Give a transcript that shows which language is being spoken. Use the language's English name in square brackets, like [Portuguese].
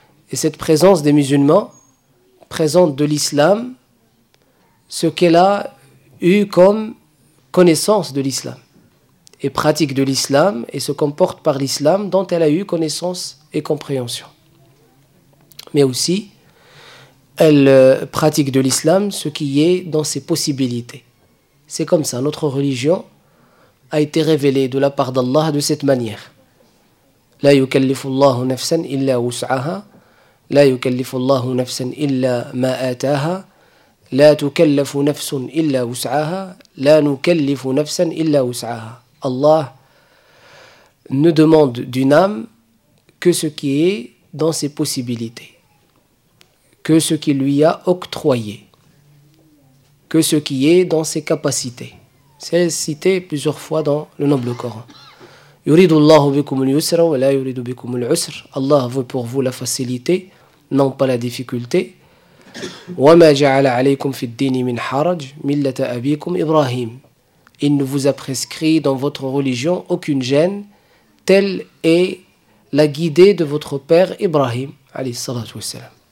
[French] Et cette présence des musulmans présente de l'islam ce qu'elle a eu comme connaissance de l'islam et pratique de l'islam et se comporte par l'islam dont elle a eu connaissance et compréhension. Mais aussi, elle pratique de l'islam ce qui est dans ses possibilités. C'est comme ça, notre religion a été révélée de la part d'Allah de cette manière. [Arabic] La yukallifu Allahu nafsan illa wus'aha. لا يكلف الله نفسا إلا ما آتاها لا تكلف نفس إلا وسعها لا نكلف نفسا إلا وسعها. [French] Allah ne demande d'une âme que ce qui est dans ses possibilités, que ce qui lui a octroyé, que ce qui est dans ses capacités. C'est cité plusieurs fois dans le noble Coran. [Arabic] يريد الله بكم اليسر ولا يريد بكم العسر. [French] Allah veut pour vous la facilité, non pas la difficulté. [Arabic] وَمَا جَعَلَ عَلَيْكُمْ فِي الدِّينِ مِنْ حَرَجٍ مِلَّةَ أَبِيكُمْ إِبْرَاهِيمَ. [French] Il ne vous a prescrit dans votre religion aucune gêne, telle est la guidée de votre père Ibrahim, alayhi salatu wa salam.